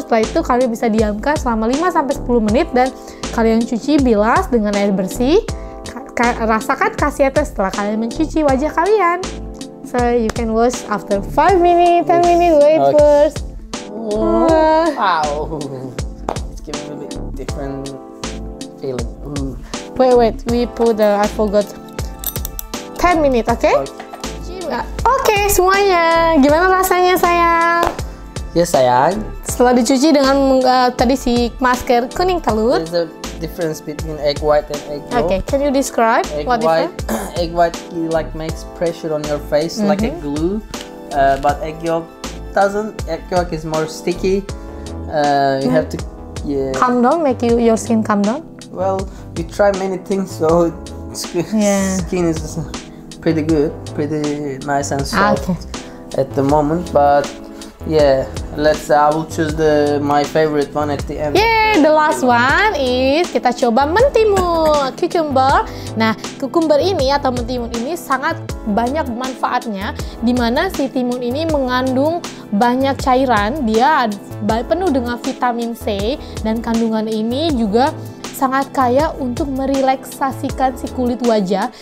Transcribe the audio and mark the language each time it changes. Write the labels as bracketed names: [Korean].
[Indonesian] Setelah itu kalian bisa diamkan selama 5-10 menit dan kalian cuci bilas dengan air bersih. Rasakan khasiatnya setelah kalian mencuci wajah kalian. [English] So, you can wash after 5 minutes, 10 minutes, wait okay. First. Wow. It's giving a bit different feeling. Ooh. Wait, we put the, I forgot. 10 minutes, okay? [Indonesian] Okay, semuanya. Gimana rasanya, sayang? [English] Yes, sayang. [Indonesian] Setelah dicuci dengan tadi si masker kuning telur. [English] There's a difference between egg white and egg yolk. Okay, can you describe egg what white, different? Egg white, it like makes pressure on your face mm-hmm. like a glue. But egg yolk doesn't. Egg yolk is more sticky. You have to, yeah. Calm down, make you your skin calm down? Well, we try many things, so skin is pretty good, pretty nice and soft at the moment, but yeah, let's say I will choose my favorite one at the end. Yeah, the last one is [Indonesian] kita coba mentimun, [English] cucumber. [Indonesian] Nah, cucumber ini atau mentimun ini sangat banyak manfaatnya, di mana si timun ini mengandung banyak cairan, dia penuh dengan vitamin C, dan kandungan ini juga sangat kaya untuk merileksasikan si kulit wajah.